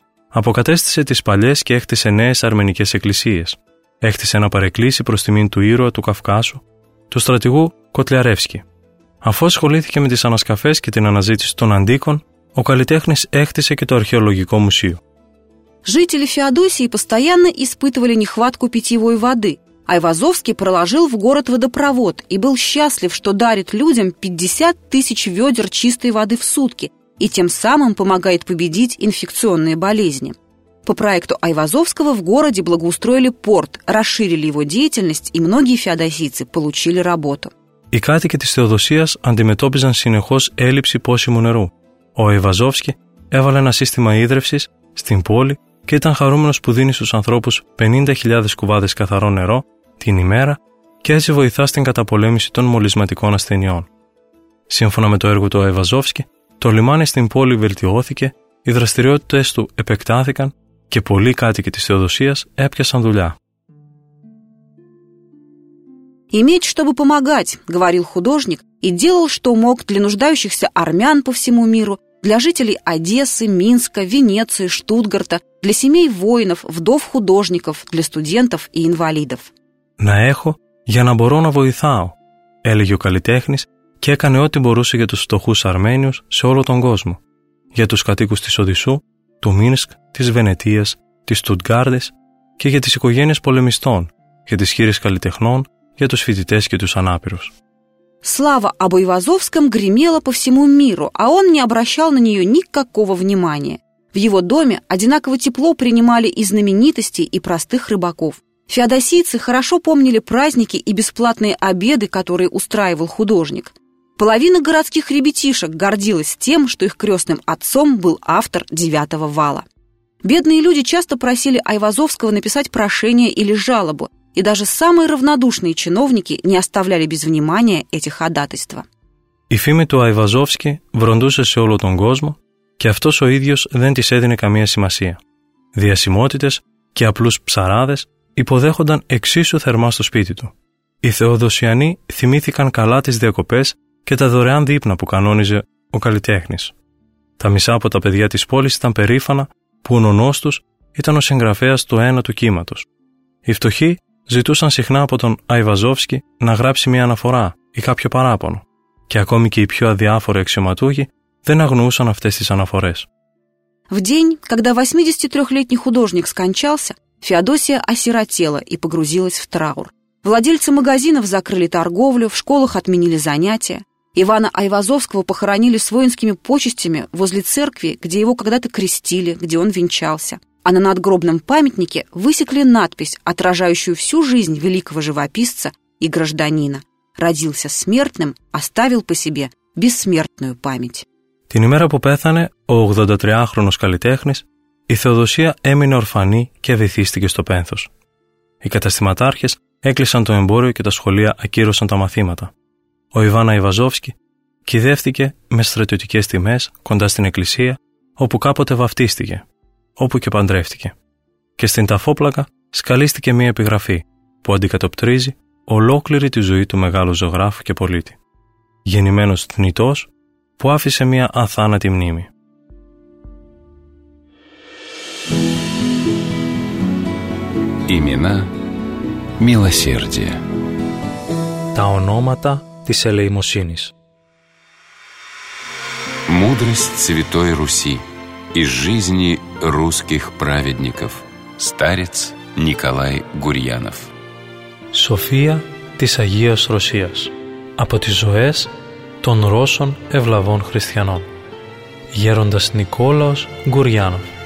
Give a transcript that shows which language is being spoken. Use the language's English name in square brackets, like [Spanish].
[Greek] Αποκατέστησε τις παλιές και έκτισε νέες αρμενικές εκκλησίες. Έκτισε ένα παρεκκλήσι προς τιμήν του ήρωα του Καυκάσου, του στρατηγού Κοτλιαρεύσκη. Αφού ασχολήθηκε με τις ανασκαφές και την αναζήτηση των αντίκων, ο καλλιτέχνης έκτισε και το αρχαιολογικό μουσείο. [Russian] Жители Феодосии постоянно испытывали нехватку питьевой воды, а Ивазовский проложил в город водопровод и был счастлив, что дарит людям 50 тысяч ведер чистой воды в сутки и тем самым помогает победить инфекционные болезни. По проекту Айвазовского в городе благоустроили порт, расширили его деятельность, и многие феодосийцы получили работу. [Greek] Οι κάτοικοι της Θεοδοσίας αντιμετώπιζαν συνεχώς έλλειψη πόσιμου νερού. Ο Ιβαζόφσκι έβαλε ένα σύστημα ύδρευσης στην πόλη και ήταν χαρούμενος που δίνει στους ανθρώπους 50.000 κουβάδες καθαρό νερό την ημέρα και έτσι βοηθά στην καταπολέμηση των μολυσματικών ασθενειών. Σύμφωνα με το έργο του Ιβαζόφσκι, το λιμάνι στην πόλη βελτιώθηκε, οι δραστηριότητες του επεκτάθηκαν και πολλοί κάτοικοι της Θεοδοσίας έπιασαν δουλειά. [Russian] «Иметь, чтобы помогать», — говорил художник и делал, что мог для нуждающихся армян по всему миру, для жителей Одессы, Минска, Венеции, Штутгарта, для семей воинов, вдов художников, для студентов и инвалидов. [Greek] «На эхо, я на борона воитао», — έλεγε ο καλλιτέχνης και έκανε ό,τι μπορούσε για τους φτωχούς Αρμένιους σε όλο τον κόσμο, για τους κατοίκους της Οδυσσού, του Μίνσκ, της Βενετίας, της Στουτγκάρδης και για τις οικογένειες πολεμιστών, για τις χείρες καλλιτεχνών, για τους φοιτητές και τους ανάπηρους. [Russian] Слава об Ивазовском гремела по всему миру, а он не обращал на нее никакого внимания. В его доме одинаково тепло принимали и знаменитости, и простых рыбаков. Феодосийцы хорошо помнили праздники и бесплатные обеды, которые устраивал художник. Половина городских ребятишек гордилась тем, что их крестным отцом был автор «Девятого вала». Бедные люди часто просили Айвазовского написать прошение или жалобу, и даже самые равнодушные чиновники не оставляли без внимания эти ходатайства. [Greek] Η φήμη του Айвазовски βροντούσε σε όλο τον κόσμο και αυτός ο ίδιος δεν της έδινε καμία σημασία. Διασημότητες και απλούς ψαράδες υποδέχονταν εξίσου θερμά στο σπίτι του. Οι Θεοδοσιανοί θυμήθηκαν καλά τις διακοπές και τα δωρεάν δείπνα που κανόνιζε ο καλλιτέχνης. Τα μισά από τα παιδιά της πόλης ήταν περήφανα που ο νονός τους ήταν ο συγγραφέας του ένατου κύματος. Οι φτωχοί ζητούσαν συχνά από τον Ιβαζόφσκι να γράψει μια αναφορά ή κάποιο παράπονο, και ακόμη και οι πιο αδιάφοροι αξιωματούχοι δεν αγνοούσαν αυτές τις αναφορές. [Russian] В день, когда 83-летний художник скончался, Феодосия осиротела и погрузилась в траур. Владельцы магазинов закрыли торговлю, в школах отменили занятия. Ивана Айвазовского похоронили с воинскими почестями возле церкви, где его когда-то крестили, где он венчался. А на надгробном памятнике высекли надпись, отражающую всю жизнь великого живописца и гражданина. Родился смертным, оставил по себе бессмертную память. [Greek] Την ημέρα που πέθανε ο 83-χρονος καλλιτέχνης, η Θεοδοσία έμεινε ορφανή και βυθίστηκε στο πένθος. Οι καταστηματάρχες έκλεισαν το εμπόριο και τα σχολεία ακύρωσαν τα μαθήματα. Ο Ιβάν Ιβαζόφσκι κηδεύτηκε με στρατιωτικές τιμές κοντά στην εκκλησία όπου κάποτε βαφτίστηκε, όπου και παντρεύτηκε. Και στην ταφόπλακα σκαλίστηκε μια επιγραφή που αντικατοπτρίζει ολόκληρη τη ζωή του μεγάλου ζωγράφου και πολίτη. Γεννημένος θνητός που άφησε μια αθάνατη μνήμη. [Russian] Имена милосердия. [Greek] Τα ονόματα της ελεημοσύνης. [Russian] Мудрость Святой Руси из жизни русских праведников. Старец Николай Гурьянов. [Greek] Σοφία της Αγίας Ρωσίας. Από τις ζωές των Ρώσων ευλαβών χριστιανών. Γέροντας Νικόλαος Γκουριάνοφ.